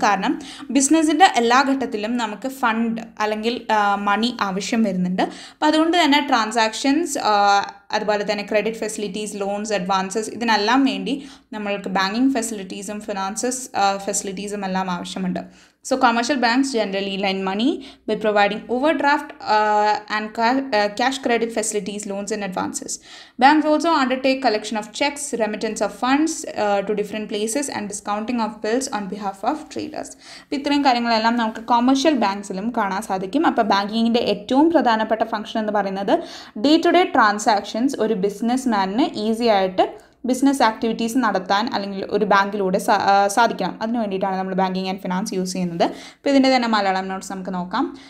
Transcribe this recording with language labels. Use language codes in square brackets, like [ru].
[ml] കാരണം ബിസിനസ്സിൻ്റെ എല്ലാ ഘട്ടത്തിലും നമുക്ക് ഫണ്ട് അല്ലെങ്കിൽ മണി ആവശ്യം വരുന്നുണ്ട്. അപ്പോൾ അതുകൊണ്ട് തന്നെ ട്രാൻസാക്ഷൻസ്, അതുപോലെ തന്നെ ക്രെഡിറ്റ് ഫെസിലിറ്റീസ്, ലോൺസ്, അഡ്വാൻസസ്, ഇതിനെല്ലാം വേണ്ടി നമ്മൾക്ക് ബാങ്കിങ് ഫെസിലിറ്റീസും ഫിനാൻസസ് ഫെസിലിറ്റീസും എല്ലാം ആവശ്യമുണ്ട്. [en] So commercial banks generally lend money by providing overdraft and cash credit facilities, loans and advances. Banks also undertake collection of checks, remittance of funds to different places and discounting of bills on behalf of traders. [ml] ഇത്രയും കാര്യങ്ങളെല്ലാം നമുക്ക് commercial ബാങ്ക്സിലും കാണാൻ സാധിക്കും. അപ്പോൾ ബാങ്കിങ്ങിൻ്റെ ഏറ്റവും പ്രധാനപ്പെട്ട function എന്ന് പറയുന്നത് ഡേ ടു ഡേ ട്രാൻസാക്ഷൻസ് ഒരു ബിസിനസ് മാനിന് ഈസി ആയിട്ട് ബിസിനസ് ആക്ടിവിറ്റീസ് നടത്താൻ അല്ലെങ്കിൽ ഒരു ബാങ്കിലൂടെ സാധിക്കണം. അതിന് വേണ്ടിയിട്ടാണ് നമ്മൾ ബാങ്കിങ് ആൻഡ് ഫിനാൻസ് യൂസ് ചെയ്യുന്നത്. അപ്പോൾ ഇതിൻ്റെ തന്നെ മലയാളം നോട്ട്സ് നമുക്ക് നോക്കാം.